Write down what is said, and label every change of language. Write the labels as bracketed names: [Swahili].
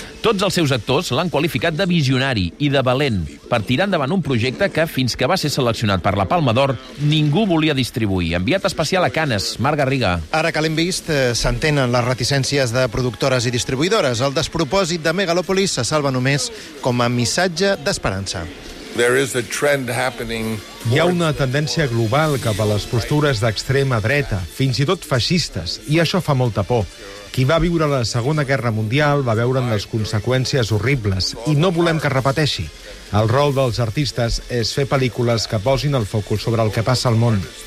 [Catalan] Tots els seus actors l'han qualificat de visionari i de valent per tirar endavant un projecte que, fins que va ser seleccionat per la Palma d'Or, ningú volia distribuir. Enviat especial a Cannes, Marc Garriga. Ara que l'hem vist, s'entenen les reticències de productores i distribuïdores. El despropòsit de Megalòpolis se salva només com a missatge d'esperança. [English] There is a trend happening. [Catalan] Hi ha una tendència global cap a les postures d'extrema dreta, fins i tot feixistes, i això fa molta por. Qui va viure la Segona Guerra Mundial va veure'n les conseqüències horribles i no volem que repeteixi. El rol dels artistes és fer pel·lícules que posin el focus sobre el que passa al món.